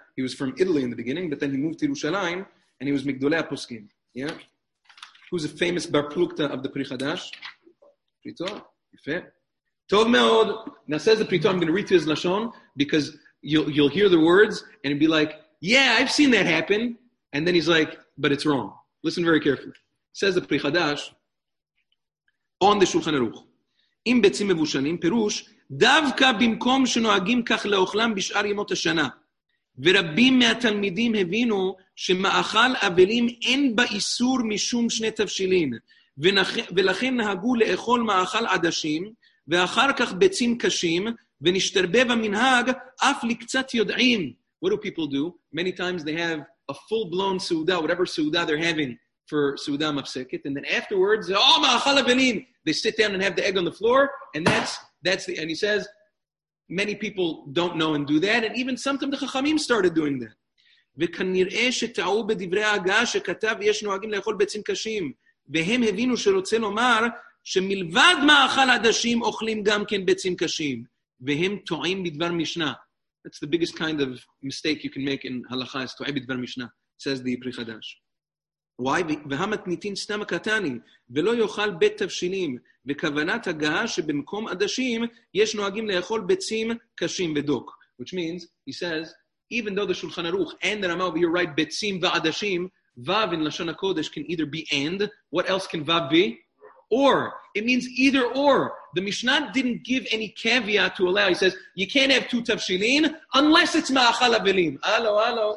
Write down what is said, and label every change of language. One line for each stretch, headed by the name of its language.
English: He was from Italy in the beginning, but then he moved to Yerushalayim and he was Migdolei Poskim. Yeah? Who's a famous Bar Plukta of the Pri Chadash? Rito? Yifeh? Tov me'od. Now says the Pritor, I'm going to read to his Lashon, because you'll hear the words, and he'll be like, yeah, I've seen that happen. And then he's like, but it's wrong. Listen very carefully. Says the Pri Chadash, on the Shulchan Aruch,
Hebrew: im betzim mevushanim perush, davka bimkom shenoagim kach leochlam bishar yemot ha-shana, ורבים מהתלמידים הבינו שמאכל אבלים אין באיסור משום שני תבשילין, ולכן נהגו לאכול מאכל עדשים, ואחר כך ביצים קשים, ונשתרבב המנהג אף לקצת יודעים,
English: what do people do? Many times they have a full-blown suuda, whatever suuda they're having for suuda mafsikit, and then afterwards, oh, ma'achal abinim, they sit down and have the egg on the floor, and that's the, and he says, many people don't know and do that, and even sometimes the chachamim started doing that.
Hebrew: וכנראה שטעו בדברי ההגה שכתב יש נוהגים לאכול ביצים קשים, והם הבינו שרוצה לומר שמלבד מאכל עדשים אוכלים גם כן ביצים קשים, והם טועים בדבר משנה.
English: That's the biggest kind of mistake you can make in halakha, is
Hebrew: טועה בדבר משנה,
English: says the פרי חדש. Why?
Hebrew: והמתניתין סתם הקטני, ולא יאכל בית תבשילים, וכוונת הגה שבמקום עדשים יש נוהגים לאכול ביצים קשים בדוק.
English: Which means, he says, even though the Shulchan Aruch and the Rama over here write betzim va'adashim, vav in Lashon HaKodesh can either be and, what else can vav be? Or. It means either or. The Mishnah didn't give any caveat to allow. He says, you can't have two tafshilin unless it's ma'achal avelim. Alo, alo.